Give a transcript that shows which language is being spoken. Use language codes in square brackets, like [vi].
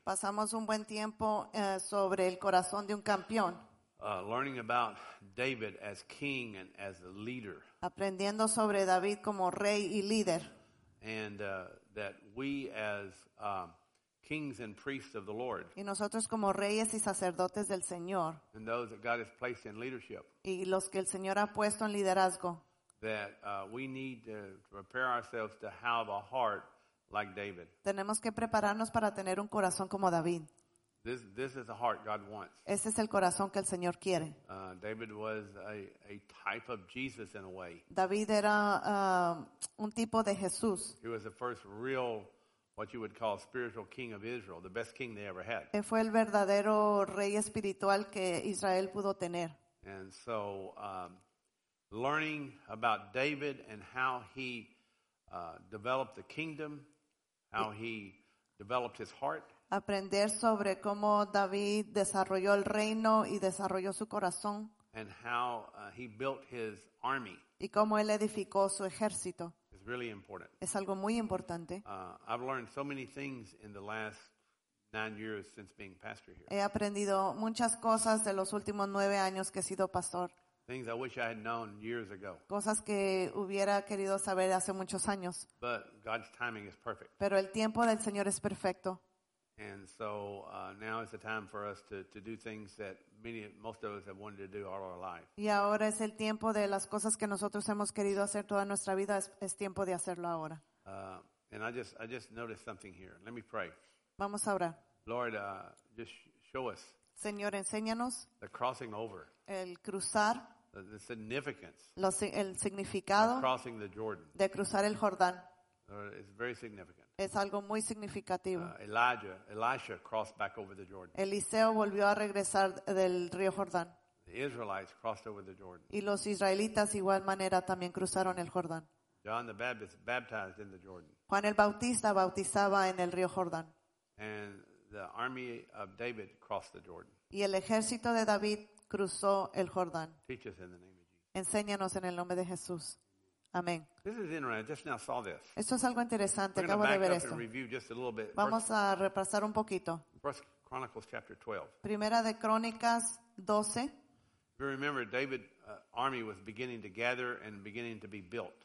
[es] Pasamos un buen tiempo sobre el corazón de un campeón. [en] Learning about David as king and as a leader. [es] Aprendiendo sobre David como rey y líder. [en] And that we as kings and priests of the Lord. [es] Y nosotros como reyes y sacerdotes del Señor. [en] And those that God has placed in leadership. [es] Y los que el Señor ha puesto en liderazgo. [en] That we need to prepare ourselves to have a heart like David. [es] Tenemos que prepararnos para tener un corazón como David. [en] This is the heart God wants. [es] Este es el corazón que el Señor quiere. [en] David was a type of Jesus in a way. [es] David era un tipo de Jesús. [en] He was the first real, what you would call, spiritual king of Israel, the best king they ever had. [es] Él fue el verdadero rey espiritual que Israel pudo tener. [en] And so, learning about David and how he developed the kingdom, how he developed his heart. [es] Aprender sobre cómo David desarrolló el reino y desarrolló su corazón. [en] And how he built his army. [es] Y cómo él edificó su ejército. [en] It's really important. [es] Es algo muy importante. [en] I've learned so many things in the last 9 years since being pastor here. [es] He aprendido muchas cosas de los últimos 9 años que he sido pastor. [en] Things I wish I had known years ago. [es] Cosas que hubiera querido saber hace muchos años. [en] But God's timing is perfect. [es] Pero el tiempo del Señor es perfecto. [en] And so now is the time for us to do things that most of us have wanted to do all our life. [es] Y ahora es el tiempo de las cosas que nosotros hemos querido hacer toda nuestra vida. Es tiempo de hacerlo ahora. [en] And I just noticed something here. Let me pray. [es] Vamos a orar. [en] Lord, just show us. [es] Señor, enséñanos. [en] The crossing over. [es] El cruzar. [en] The significance. [es] El significado. [en] Of crossing the Jordan. [es] De cruzar el Jordán. [en] Lord, it's very significant. [es] Es algo muy significativo. [en] Elisha crossed back over the Jordan. [es] Eliseo volvió a regresar del río Jordán. [en] The Israelites crossed over the Jordan. [es] Y los israelitas igual manera también cruzaron el Jordán. [en] John the Baptist baptized in the Jordan. [es] Juan el Bautista bautizaba en el río Jordán. [en] And the army of David crossed the Jordan. [es] Y el ejército de David cruzó el Jordán. [en] Teach us in the name of Jesus. [es] Enséñanos en el nombre de Jesús. Amén. [en] This is interesting. I just now saw this. [es] Esto es algo interesante. [en] We're going to back up [es] esto. [en] And review just a little bit. [es] Vamos a repasar un poquito. [en] First Chronicles chapter 12. [es] Primera de Crónicas 12. [en] If you remember, David's army was beginning to gather and beginning to be built.